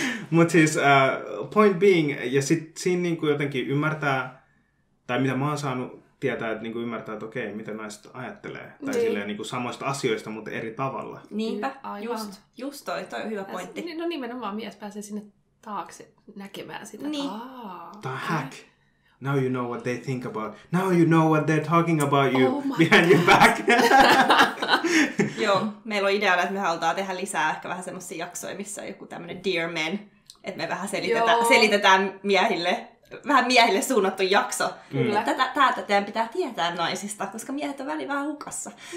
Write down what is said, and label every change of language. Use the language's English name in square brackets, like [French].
[Finnish] Mutta siis [English] point being, [Finnish] ja sitten siinä niin kuin jotenkin ymmärtää, tai mitä mä oon saanut tietää, että niin kuin ymmärtää, että okei, mitä naiset ajattelee. Tai niin. Silleen niin kuin samoista asioista, mutta eri tavalla. Niinpä, just toi on hyvä pointti. No nimenomaan mies pääsee sinne taakse näkemään sitä. Niin. Tämä on hack. [English] Now you know what they think about. Now you know what they're talking about you behind your back. [Finnish] Joo, meillä on ideana, että me halutaan tehdä lisää ehkä vähän semmoisia jaksoja, missä on joku tämmöinen [English] dear men. [Finnish] Että me vähän selitetään miehille. Vähän miehille suunnattu jakso. Kyllä. Tätä teidän pitää tietää naisista, koska miehet on väliin vähän hukassa.